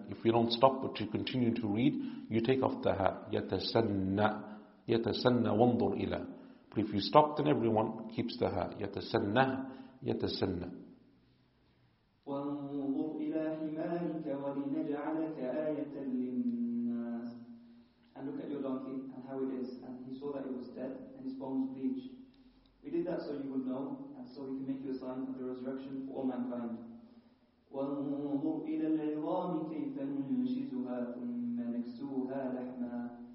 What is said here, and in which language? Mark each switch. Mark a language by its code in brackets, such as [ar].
[en] If you don't stop but you continue to read, you take off the ha. [ar] يتسنه وانظر إلى. [en] But if you stop, then everyone keeps the ha. [ar] يتسنه. وانظر إلى حمارك ولنجعلك آية للناس. [en] And look at your donkey and how it is. And he saw that it was dead and his bones bleached. We did that so you would know, and so we can make you a sign of the resurrection for all mankind. [ar] وَانْظُرْ إِلَى الْعِظَامِ كَيْفَ نُنْشِزُهَا ثُمَّ نَكْسُوهَا لَحْمًا.